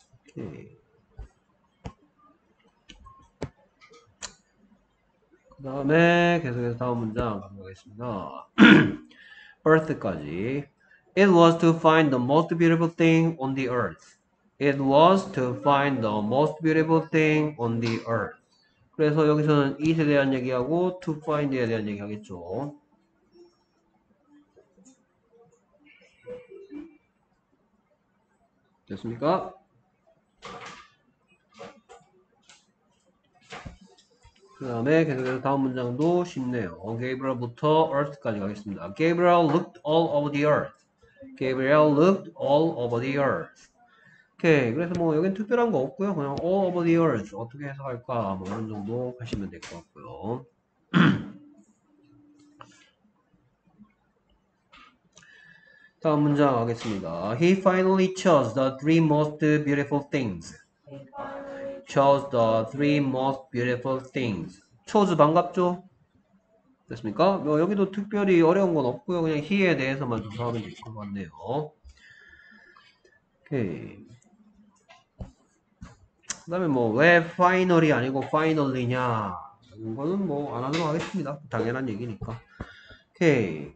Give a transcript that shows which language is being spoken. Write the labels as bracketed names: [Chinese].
[Korean] 오케이. 그 다음에 계속해서 다음 문장 가보겠습니다. earth까지. [English] It was to find the most beautiful thing on the earth. It was to find the most beautiful thing on the earth. [Korean] 그래서 여기서는 it에 대한 얘기하고 to find에 대한 얘기 하겠죠. 됐습니까? 그 다음에 계속해서 다음 문장도 쉽네요. Gabriel부터 Earth까지 가겠습니다. [English] Gabriel looked all over the earth. Gabriel looked all over the earth. [Korean] 오케이. 그래서 뭐 여긴 특별한 거 없고요. 그냥 [English] all over the earth. [Korean] 어떻게 해석할까? 뭐 이런 정도 하시면 될 것 같고요. 다음 문장 가겠습니다. [English] He finally chose the three most beautiful things. Chose the three most beautiful things. Chose [Korean] 반갑죠? 됐습니까? 뭐 여기도 특별히 어려운 건 없고요. 그냥 히에 대해서만 조사하면 될것 같네요. 오케이. 그다음에 뭐왜 파이널이 아니고 파이널리냐? 이거는 뭐안 하도록 하겠습니다. 당연한 얘기니까. 오케이.